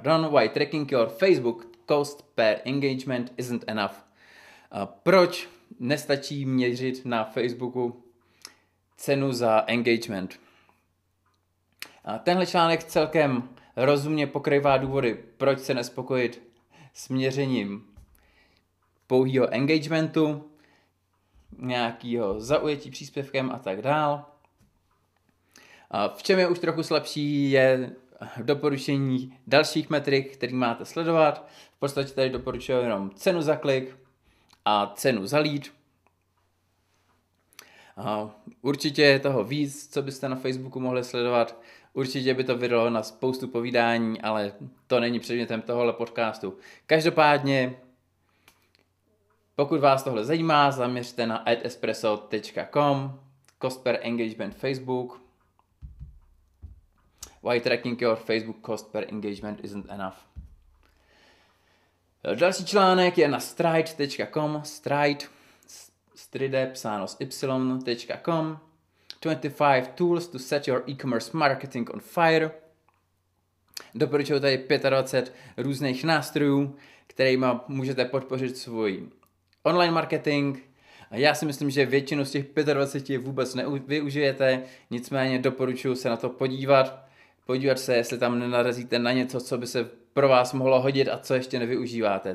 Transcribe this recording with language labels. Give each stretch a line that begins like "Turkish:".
English: Why tracking your Facebook cost per engagement isn't enough.
Czech: Proč nestačí měřit na Facebooku cenu za engagement? Tenhle článek celkem rozumně pokrývá důvody, proč se nespokojit směřením pouhýho engagementu, nějakýho zaujetí příspěvkem a tak dál. V čem je už trochu slabší, je doporučení dalších metrik, které máte sledovat. V podstatě tady doporučuji jenom cenu za klik a cenu za lead. Určitě je toho víc, co byste na Facebooku mohli sledovat. Určitě by to vydalo na spoustu povídání, ale to není předmětem tohohle podcastu. Každopádně, pokud vás tohle zajímá, zaměřte na adespresso.com,
English: cost per engagement Facebook. Why tracking your Facebook cost per engagement isn't enough.
Czech: Další článek je na stride.com, stride, stride, psáno s y.com.
English: 25 tools to set your e-commerce marketing on fire.
Czech: Doporučuji tady 25 různých nástrojů, kterými můžete podpořit svůj online marketing. Já si myslím, že většinu z těch 25 vůbec nevyužijete, nicméně doporučuji se na to podívat. Podívat se, jestli tam nenarazíte na něco, co by se pro vás mohlo hodit a co ještě nevyužíváte.